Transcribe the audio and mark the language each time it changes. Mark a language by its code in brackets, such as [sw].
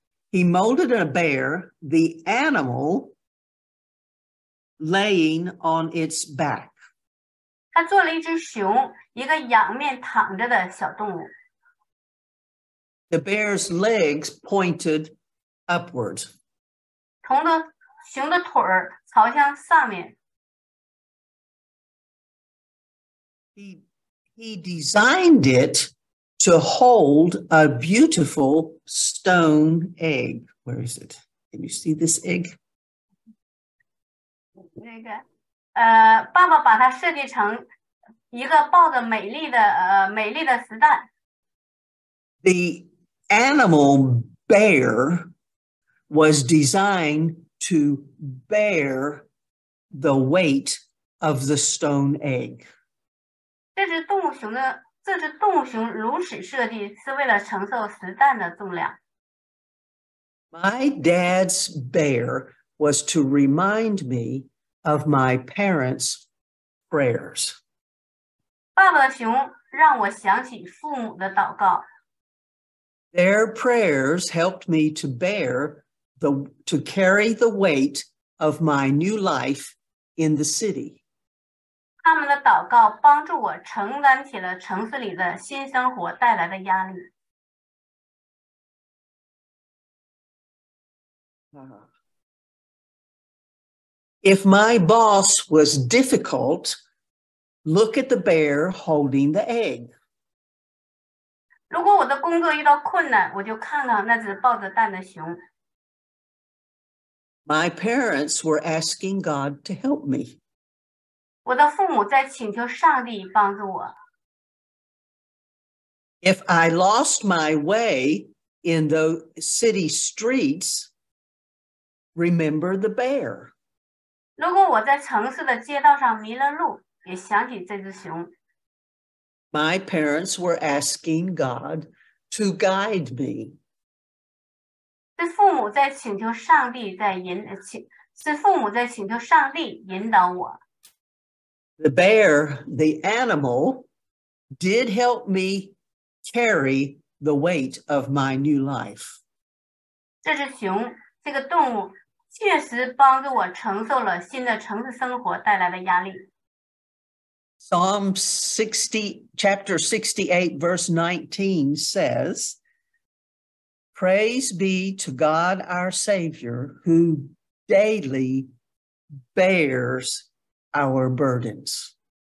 [en] He molded a bear, the animal, laying on its back. [zh] 他做了一只熊，一个仰面躺着的小动物。 [en] The bear's legs pointed upward. [zh] 同的熊的腿儿朝向上面。 [en] He designed it to hold a beautiful stone egg. Where is it? Can you see this egg? [zh] 爸爸把它设计成一个抱着美丽的石蛋。 [en] The animal bear was designed to bear the weight of the stone egg. [zh] 这只动物熊如此设计是为了承受石蛋的重量。 [en] My dad's bear was to remind me of my parents' prayers. [zh] 爸爸的熊让我想起父母的祷告。 [en] Their prayers helped me to carry the weight of my new life in the city. [zh] 他们的祷告帮助我承担起了城市里的新生活带来的压力。 [en] If my boss was difficult, look at the bear holding the egg. [zh] 如果我的工作遇到困难，我就看看那只抱着蛋的熊。 [en] My parents were asking God to help me. [zh] 我的父母在请求上帝帮助我。 [en] If I lost my way in the city streets, remember the bear. [zh] 如果我在城市的街道上迷了路，也想起这只熊。 [en] My parents were asking God to guide me. [zh] 是父母在请求上帝在引，是父母在请求上帝引导我。 [en] The bear, the animal, did help me carry the weight of my new life. [zh] 这只熊，这个动物确实帮助我承受了新的城市生活带来的压力。 [en] Psalm 60, chapter 68, verse 19 says, Praise be to God our Savior who daily bears our burdens.